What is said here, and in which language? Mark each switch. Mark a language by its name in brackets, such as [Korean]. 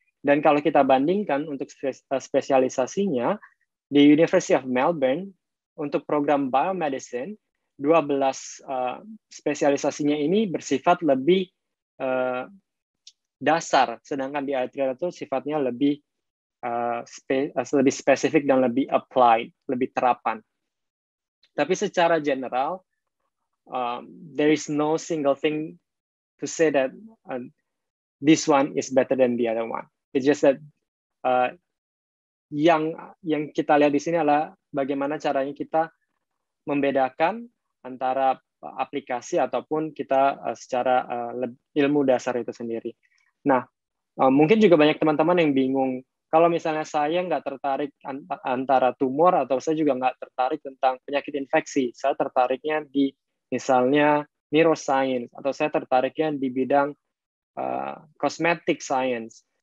[Indonesian] Dan kalau kita bandingkan untuk spesialisasinya, di University of Melbourne, untuk program biomedicine, 12 spesialisasinya ini bersifat lebih dasar, sedangkan di iTrial itu sifatnya lebih lebih spesifik dan lebih applied, lebih terapan. Tapi secara general, [English] there is no single thing to say that this one is better than the other one. It's just that [Indonesian] yang kita lihat di sini adalah bagaimana caranya kita membedakan antara aplikasi ataupun kita secara ilmu dasar itu sendiri. Nah, mungkin juga banyak teman-teman yang bingung, kalau misalnya saya nggak tertarik antara tumor atau saya juga nggak tertarik tentang penyakit infeksi, saya tertariknya di misalnya neuroscience atau saya tertariknya di bidang cosmetic science.